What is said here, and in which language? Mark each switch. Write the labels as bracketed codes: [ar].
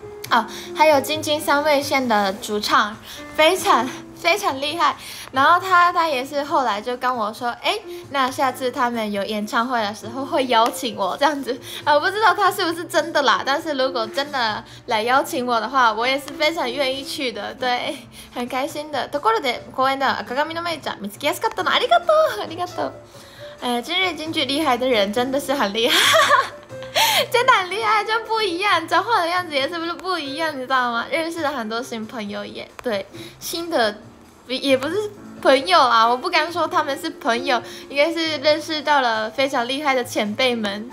[zh] 哦，还有京津三味线的主唱，非常厉害，然后他也是后来就跟我说，那下次他们有演唱会的时候会邀请我这样子，我不知道他是不是真的啦，但是如果真的来邀请我的话，我也是非常愿意去的，对，很开心的。 [ja] ところで、公園では赤髪のメイちゃん見つけやすかったの、ありがとう、ありがとう。 [zh] 今日京剧厉害的人真的是很厉害。真的很厉害，就不一样，讲话的样子也是不是不一样，你知道吗？认识了很多新朋友也对，新的也不是朋友啊，我不敢说他们是朋友，应该是认识到了非常厉害的前辈们。